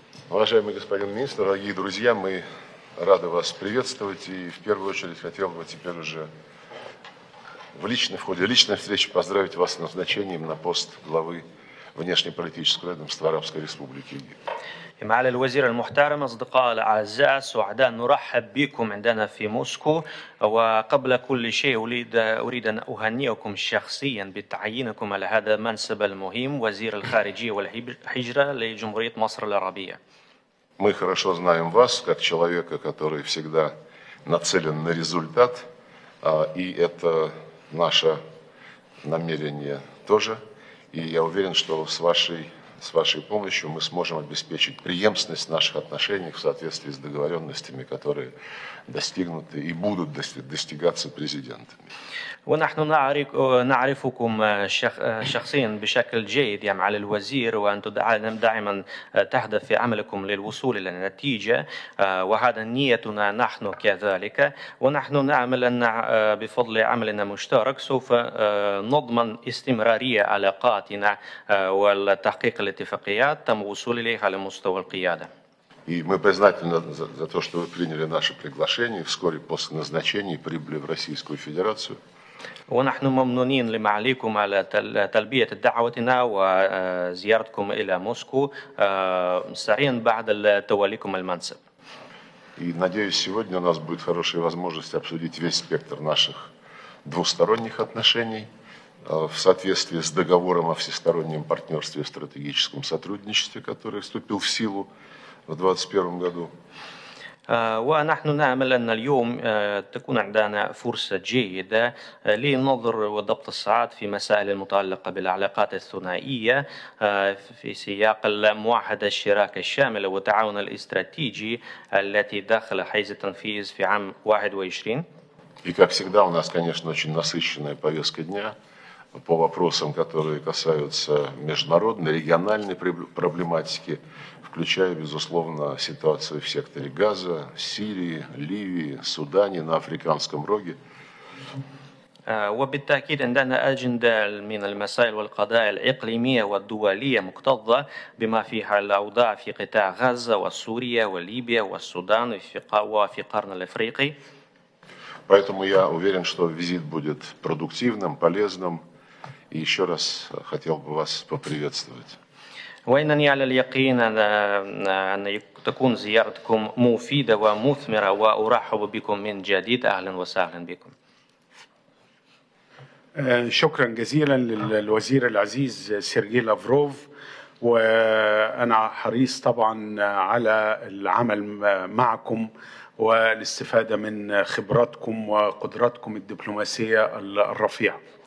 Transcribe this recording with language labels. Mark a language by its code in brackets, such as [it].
[ru] Уважаемый господин министр, дорогие друзья, мы рады вас приветствовать и в первую очередь хотел бы теперь уже в ходе личной встречи поздравить вас с назначением на пост главы внешнеполитического ведомства Арабской Республики Египет. [ar] معالي الوزير المحترم أصدقاء الأعزاء سعداء نرحب بكم عندنا في موسكو وقبل كل شيء أريد أن أهنئكم شخصيا بتعيينكم على هذا المنصب المهم وزير الخارجية والهجرة لجمهورية مصر العربية. [ru] Мы хорошо знаем вас как человека, который всегда нацелен на результат, и это наше намерение тоже, и я уверен, что с вашей помощью мы сможем обеспечить преемственность наших отношений в соответствии с договоренностями, которые достигнуты и будут достигаться президентами. [ar] ونحن نعرفكم شخصيا بشكل جيد يا معالي الوزير وأنتم دائما تهدف في عملكم للوصول إلى النتيجة وهذا نيتنا نحن كذلك ونحن نعمل أن بفضل عملنا المشترك سوف نضمن استمرارية علاقاتنا والتحقيق الاتفاقيات تم وصول إليها على مستوى القيادة. [ru] И мы признательны за то, что вы приняли наше приглашение вскоре после назначения прибыли в Российскую Федерацию. [ar] ونحن ممنونين لمعاليكم على تلبية دعوتنا وزيارتكم إلى موسكو سريعا بعد توليكم المنصب. [ru] И надеюсь, сегодня у нас будет хорошая возможность обсудить весь спектр наших двусторонних отношений в соответствии с договором о всестороннем партнерстве и стратегическом сотрудничестве, который вступил в силу в 2021 году. [ar] ونحن نعمل أن اليوم تكون عندنا فرصة جيدة لنظر وضبط الساعات في مسائل المتعلقة بالعلاقات الثنائية في سياق المعاهدة الشراكة الشاملة والتعاون الاستراتيجي التي داخل حيز التنفيذ في عام 21. [ru] И как всегда у нас, конечно, очень насыщенная повестка дня по вопросам, которые касаются международной, региональной проблематики. Включая, безусловно, ситуацию в секторе Газа, Сирии, Ливии, Судане, на Африканском Роге. [ar] وبالتأكيد عندنا أجندة من المسائل والقضايا الإقليمية والدولية مكتظة بما فيها الأوضاع في قطاع غزة وسوريا وليبيا والسودان وفي قرن الأفريقي. [ru] Поэтому я уверен, что визит будет продуктивным, полезным. И еще раз хотел бы вас поприветствовать. [ar] وإنني على اليقين أن تكون زيارتكم مفيدة ومثمرة وأرحب بكم من جديد أهلا وسهلا بكم. شكرا جزيلا للوزير العزيز سيرجي لافروف وأنا حريص طبعا على العمل معكم والاستفادة من خبراتكم وقدراتكم الدبلوماسية الرفيعة.